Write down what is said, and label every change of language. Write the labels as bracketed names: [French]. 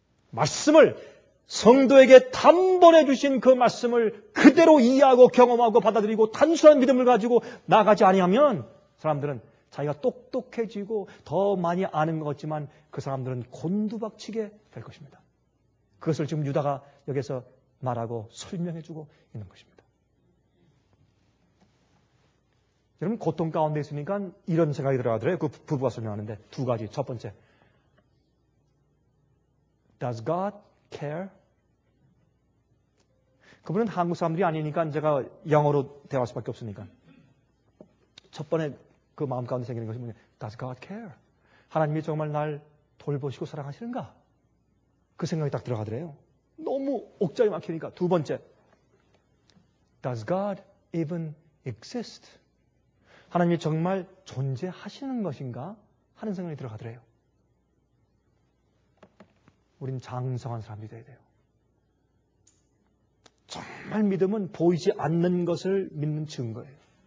[Korean] 말씀을 성도에게 담보해 주신 그 말씀을 그대로 이해하고 경험하고 받아들이고 단순한 믿음을 가지고 나가지 아니하면 사람들은 자기가 똑똑해지고 더 많이 아는 것 같지만 그 사람들은 곤두박치게 될 것입니다. 그것을 지금 유다가 여기서 말하고 설명해주고 있는 것입니다. 여러분, 고통 가운데 있으니까 이런 생각이 들어가더래요. 그 부부가 설명하는데 두 가지. 첫 번째, [English] Does God care? [Korean] 그분은 한국 사람들이 아니니까 제가 영어로 대화할 수밖에 없으니까 첫 번에 그 마음 가운데 생기는 것이 뭐냐, [English] Does God care? [Korean] 하나님이 정말 날 돌보시고 사랑하시는가? 그 생각이 딱 들어가더래요. 너무 옥자리 막히니까. 두 번째, [English] Does God even exist? [Korean] 하나님이 정말 존재하시는 것인가 하는 생각이 들어가더래요. 우린 장성한 사람이 돼야 돼요. 정말 믿음은 보이지 않는 것을 믿는 증거예요.